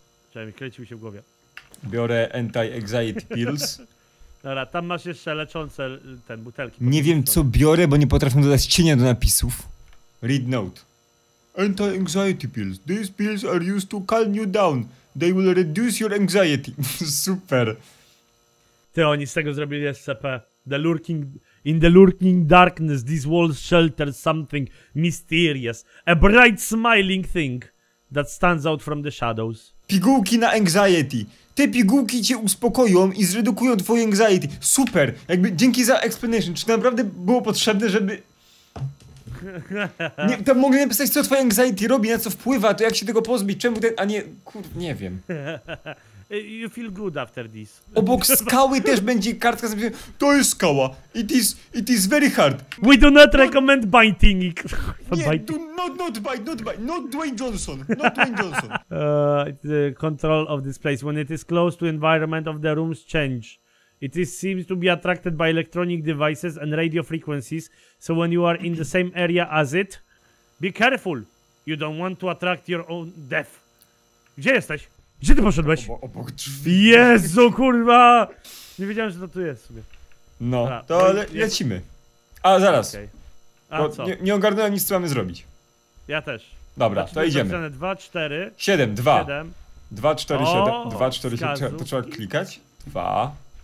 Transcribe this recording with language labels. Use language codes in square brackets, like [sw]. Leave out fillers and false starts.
[pl] Chciałem, kręci mi się w głowie. Biorę anti-anxiety pills. Dobra, tam masz jeszcze leczące ten butelki. Nie wiem co biorę, bo nie potrafię dodać cienia do napisów. [en] Read note. Anti-anxiety pills. These pills are used to calm you down. They will reduce your anxiety. [pl] Super. Ty, oni z tego zrobili SCP. [en] The lurking... In the lurking darkness, these walls shelter something mysterious. A bright smiling thing that stands out from the shadows. [pl] Pigułki na anxiety. Te pigułki cię uspokoją i zredukują twoje anxiety. Super. Jakby dzięki za explanation. Czy to naprawdę było potrzebne, żeby... Nie, to mogę napisać, co twoje anxiety robi, na co wpływa, to jak się tego pozbyć, czemu ten, a nie, kur, nie wiem. [en] You feel good after this. [pl] Obok skały też będzie kartka z napisem, to jest skała, [en] it is very hard. We do not recommend biting. Nie, not bite, not Dwayne Johnson, not Dwayne Johnson. The control of this place, when it is close to environment of the rooms change. It is, seems to be attracted by electronic devices and radio frequencies, so when you are in the same area as it, be careful. You don't want to attract your own death. [pl] Gdzie jesteś? Gdzie ty poszedłeś? Obok drzwi. Jezu, kurwa! Nie wiedziałem, że to tu jest sobie. No, a, to lecimy. A, zaraz. Okay. A co? Nie ogarnąłem nic, co mamy zrobić. Ja też. Dobra, to idziemy. 2, 4... 7, 2. 7. 2, 4, 7. 2, 4, 7. To trzeba klikać. 2.